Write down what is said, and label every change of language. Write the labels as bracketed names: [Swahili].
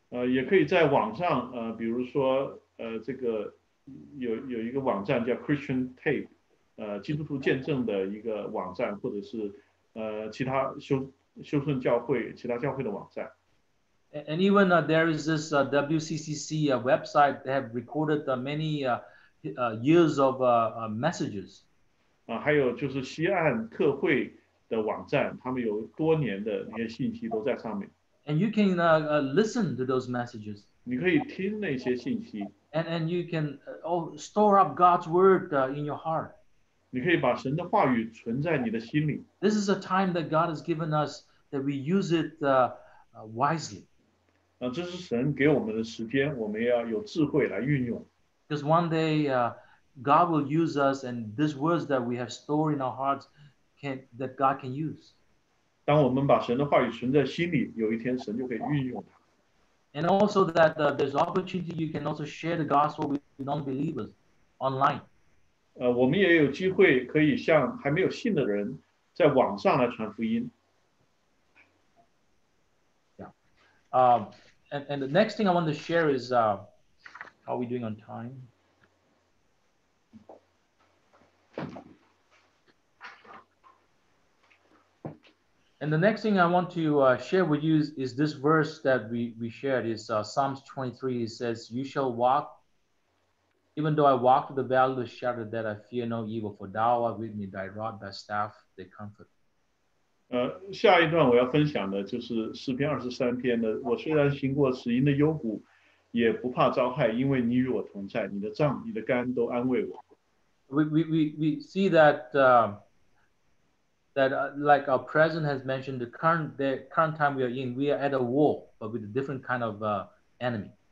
[Chinese] 也可以在网上, 比如说这个有一个网站叫 Christian Tape, 基督徒见证的一个网站, 或者是, 其他修, 修顺教会其他教会的网站 [English] and even there is this WCCC website that have recorded many years of messages [Chinese] 还有就是西岸特会的网站 他们有多年的那些信息都在上面 [English] and you can listen to those messages [Chinese] 你可以听那些信息 [English] and you can store up God's word in your heart [Chinese] 你可以把神的话语存在你的心里 [English] this is a time that God has given us that we use it wisely. [Chinese] 这是神给我们的时间，我们要有智慧来运用。 [English] Because one day God will use us and these words that we have stored in our hearts that God can use. [Chinese] 当我们把神的话语存在心里，有一天神就可以运用它。 [English] And also that there's opportunity you can also share the gospel with non-believers online. [Chinese] 我们也有机会可以向还没有信的人在网上来传福音。 [English] And the next thing I want to share is, how are we doing on time? And the next thing I want to share with you is this verse that we shared is Psalms 23. It says, "You shall walk, even though I walk through the valley of the shadow that I fear no evil, for thou art with me, thy rod, thy staff, they comfort." [Chinese] 下一段我要分享的就是诗篇23篇的，我虽然行过死荫的幽谷，也不怕遭害，因为你与我同在，你的杖、你的竿都安慰我。 [English] We see that that like our present has mentioned the current time we are in, we are at a war, but with a different kind of enemy.